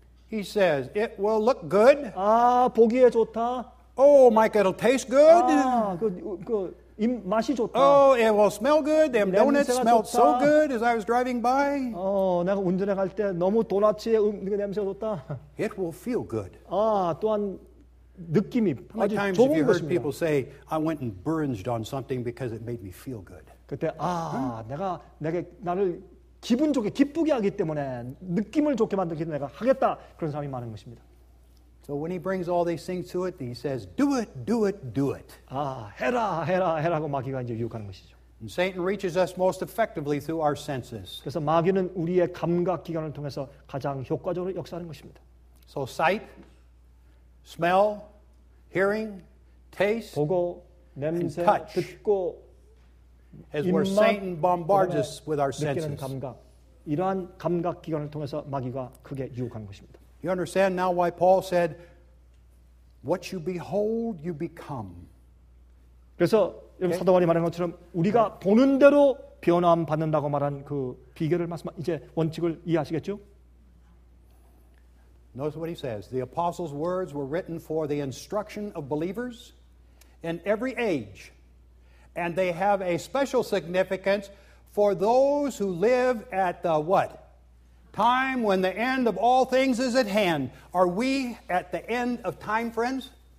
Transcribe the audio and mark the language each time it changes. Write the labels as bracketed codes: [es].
[en] He says, "It will look good." [ko] 아, 보기에 좋다. [en] Oh, Mike, it'll taste good. [ko] 아, 그 입 맛이 좋다. [en] Oh, it will smell good. Them donuts smelled [ko] 좋다. [en] so good as I was driving by. [ko] 어, 내가 운전해 갈 때 너무 도넛의 냄새가 좋다. [en] It will feel good. [ko] 아, 또한 느낌이 아주 좋은 것입니다. [en] How many times have you heard people say, I went and burned on something because it made me feel good? [ko] 그때 아, 응? 내가 나를 기분 좋게 기쁘게 하기 때문에 느낌을 좋게 만들기 때문에 내가 하겠다 그런 사람이 많은 것입니다. [en] So when he brings all these things to it, he says, do it, do it, do it. [ko] 아, 해라, 해라, 해라고 마귀가 이제 유혹하는 것이죠. [en] And Satan reaches us most effectively through our senses. [ko] 그래서 마귀는 우리의 감각 기관을 통해서 가장 효과적으로 역사하는 것입니다. [en] So sight, smell, hearing, taste, [ko] 보고, 냄새, [en] and touch. [ko] 듣고, [en] As where Satan bombards us with our senses. [ko] 감각, 이러한 감각 기관을 통해서 마귀가 크게 유혹하는 것입니다. [en] You understand now why Paul said, "What you behold, you become." [ko] 그래서 여러분 사도 바울이 말한 것처럼 우리가 보는 대로 변화함 받는다고 말한 그 비결을 말씀 이제 원칙을 이해하시겠죠? [en] Notice what he says. The apostle's words were written for the instruction of believers in every age. And they have a special significance for those who live at the what? Time when the end of all things is at hand. Are we at the end of time, friends?